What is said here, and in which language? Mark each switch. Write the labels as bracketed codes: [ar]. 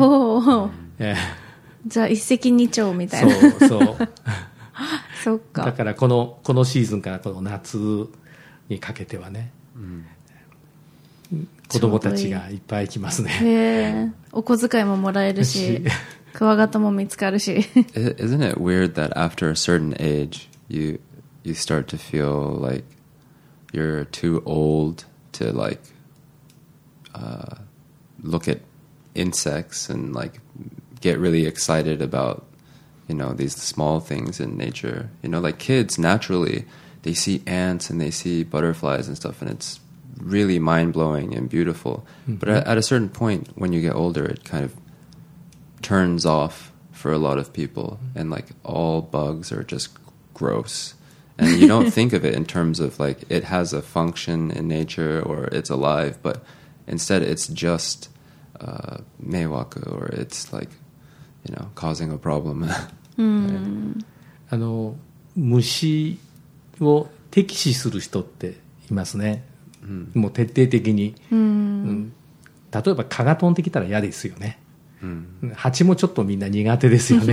[ja] おお、じゃあ、一石二鳥みたいな。そう。そっか。だから、このシーズンからこの夏にかけてはね。うん、子供たちがいっぱい来ますね。お小遣いももらえるし、クワガタも見つかるし。 [en] Isn't it weird that after a certain age, you start to feel like you're too old to like, look at insects and like get really excited about, you know, these small things in nature. You know, like kids naturally, they see ants and they see butterflies and stuff, and it'sreally mind-blowing and beautiful. Mm-hmm. But at a certain point, when you get older, it kind of turns off for a lot of people. Mm-hmm. And like all bugs are just gross. And you don't think of it in terms of like it has a function in nature or it's alive. But instead, it's just meiwaku, or it's like, you know, causing a problem. Mm-hmm. [ja] あの、虫を敵視する人っていますね。もう徹底的に、うんうん、例えば蚊が飛んできたら嫌ですよね、うん、蜂もちょっとみんな苦手ですよね。、